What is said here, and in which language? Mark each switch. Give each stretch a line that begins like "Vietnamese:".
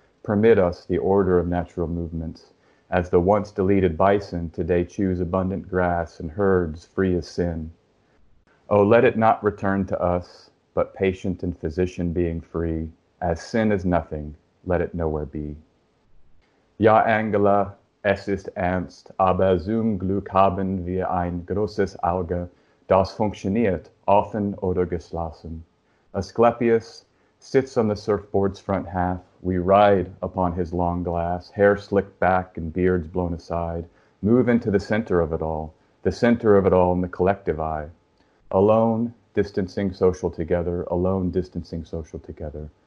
English: Permit us the order of natural movements. As the once deleted bison, today choose abundant grass and herds free of sin. Oh, let it not return to us, but patient and physician being free, as sin is nothing, let it nowhere be.
German: Ja Angela, es ist ernst, aber zum Glück haben wir ein großes Auge, das funktioniert, offen oder geschlossen.
English: Asclepius sits on the surfboard's front half, we ride upon his long glass, hair slicked back and beards blown aside, move into the center of it all, the center of it all in the collective eye. Alone, distancing social together, alone distancing social together.